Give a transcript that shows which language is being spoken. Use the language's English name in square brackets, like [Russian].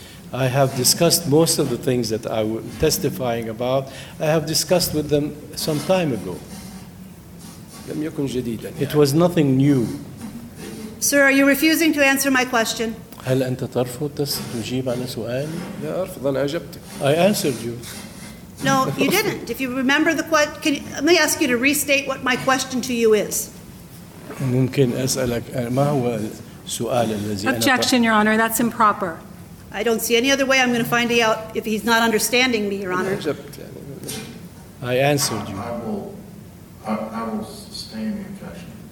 [English] I have discussed most of the things that I was testifying about. I have discussed with them some time ago. It was nothing new. Sir, are you refusing to answer my question? [Arabic] هل أنت ترفض تجيب على سؤالي؟ لا أرفض أنا أجبتك. [English] I answered you. No, you didn't. If you remember the question, let me ask you to restate what my question to you is. [Arabic] ممكن أسألك ما هو السؤال الذي [English] Objection, Your Honor. That's improper. I don't see any other way I'm going to find out if he's not understanding me, Your Honor. I answered you. I will sustain the objection.